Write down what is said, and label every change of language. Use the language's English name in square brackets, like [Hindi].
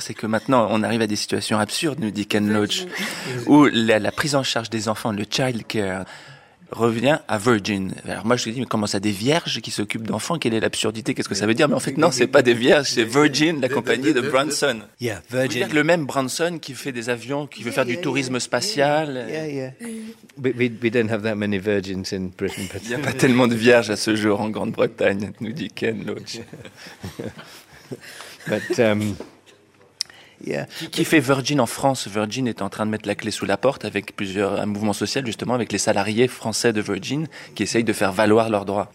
[French] C'est que maintenant, on arrive à des situations absurdes, nous dit Ken Loach, où la prise en charge des enfants, le child care, revient à Virgin. Alors moi, je me dis, mais comment ça, des vierges qui s'occupent d'enfants? Quelle est l'absurdité? Qu'est-ce que ça veut dire? Mais en fait, non, c'est pas des vierges, c'est Virgin, la compagnie de Branson. [English] Yeah, Virgin. [French] Le même Branson qui fait des avions, qui veut faire du tourisme spatial. [English] We don't have that many virgins in Britain. [French] Il n'y a pas tellement de vierges à ce jour en Grande-Bretagne, nous dit Ken Loach. Qui fait Virgin en France? Virgin est en train de mettre la clé sous la porte avec plusieurs mouvements sociaux, justement, avec les salariés français de Virgin qui essayent de faire valoir leurs droits.